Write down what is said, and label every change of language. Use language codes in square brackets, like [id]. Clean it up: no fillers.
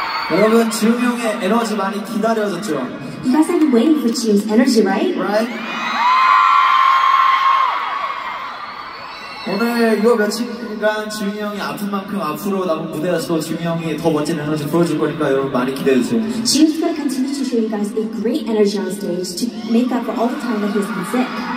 [ko] 여러분, 지웅의 에너지 많이 기다려졌죠? [en] You guys have been waiting for Jiung's energy, right? Right? [ko] 오늘 이거 며칠간 지웅이 형이 아픈 만큼 앞으로 나온 무대에서 지웅이 형이 더 멋진 에너지 보여줄 거니까 여러분 많이 기대해주세요. [en] Jiung's gonna continue to show you guys a great energy on stage to make up for all the time that he's been sick.